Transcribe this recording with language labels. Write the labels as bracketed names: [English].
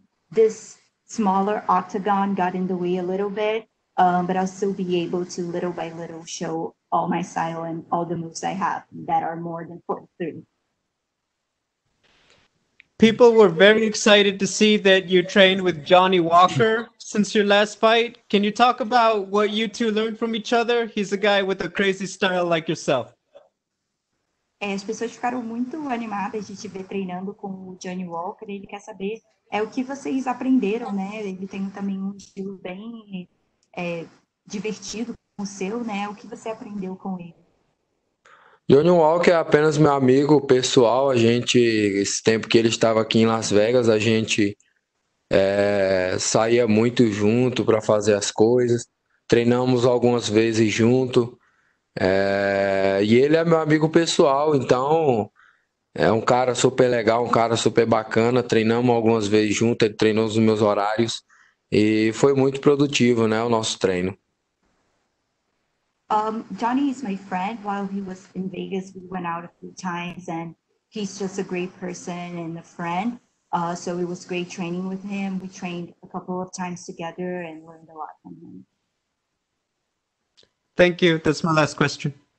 [English] This smaller octagon got in the way a little bit, but I'll still be able to little by little show all my style and all the moves I have that are more than 43. People were very excited to see that you trained with Johnny Walker since your last fight. Can you talk about what you two learned from each other? He's a guy with a crazy style like yourself. [Portuguese] As pessoas ficaram muito animadas de te ver treinando com o Johnny Walker. Ele quer saber o que vocês aprenderam, né? Ele tem também um estilo bem divertido com o seu, né? O que você aprendeu com ele? Johnny Walker é apenas meu amigo pessoal. A gente, esse tempo que ele estava aqui em Las Vegas, a gente saía muito junto para fazer as coisas. Treinamos algumas vezes junto. E ele é meu amigo pessoal, então é um cara super legal, um cara super bacana. Treinamos algumas vezes junto, ele treinou nos meus horários e foi muito produtivo, né, o nosso treino. [English] Johnny is my friend. While he was in Vegas, we went out a few times, and he's just a great person and a friend. So it was great training with him. We trained a couple of times together and learned a lot from him. Thank you. That's my last question.